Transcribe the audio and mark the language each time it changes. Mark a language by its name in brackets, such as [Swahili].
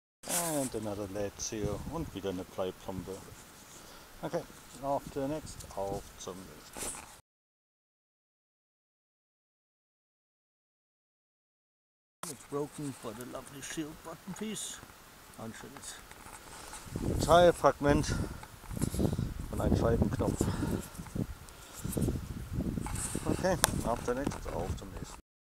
[English] And another lead seal [German] und wieder eine Pleiplombe. Okay, auf zum nächsten, auf zum nächsten. [English] It's broken for the lovely shield button piece. [German] Ein schönes Teilfragment von einem Scheibenknopf. Okay, auf zum nächsten, auf zum nächsten.